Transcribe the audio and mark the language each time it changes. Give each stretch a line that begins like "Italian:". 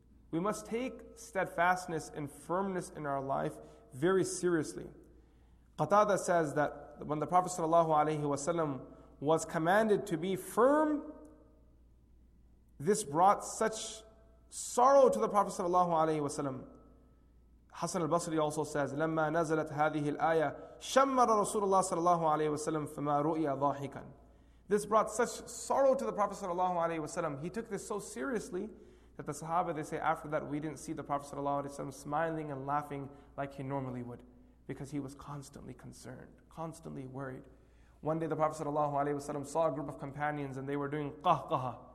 English: We must take steadfastness and firmness in our life very seriously. Qatada says that when the Prophet sallallahu alaihi wasallam was commanded to be firm, this brought such sorrow to the Prophet sallallahu alaihi wasallam. Hassan al-Basri also says,
Arabic: لَمَّا نَزَلَتْ هَذِهِ الْآيَةِ شَمَّرَ رَسُولُ اللَّهِ صَلَى اللَّهُ عَلَيْهِ وَسَلَمْ فَمَا رُؤِيَ ضَاحِكًا.
English: This brought such sorrow to the Prophet sallallahu alayhi wasallam. He took this so seriously that the Sahaba, they say, after that, we didn't see the Prophet sallallahu alayhi wasallam smiling and laughing like he normally would, because he was constantly concerned, constantly worried. One day the Prophet sallallahu alayhi wasallam saw a group of companions and they were doing qahqaha.